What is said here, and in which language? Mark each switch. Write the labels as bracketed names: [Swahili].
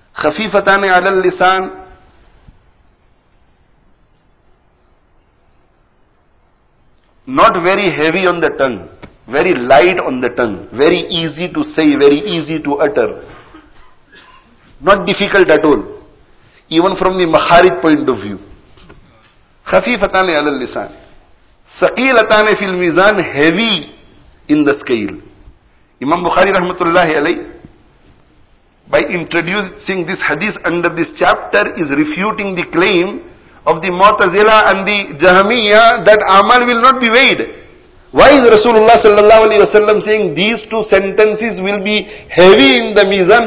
[English] Khafifatani ala lisan, not very heavy on the tongue, very light on the tongue, very easy to say, very easy to utter, not difficult at all, even from the makharij point of view. [Arabic] خفيفتان على اللسان ثقيلتان في الميزان [English] heavy in the scale. Imam Bukhari rahmatullahi alayhi, by introducing this hadith under this chapter, is refuting the claim of the Mu'tazila and the Jahmiya that amal will not be weighed. Why is Rasulullah sallallahu alayhi wasallam saying these two sentences will be heavy in the mizan?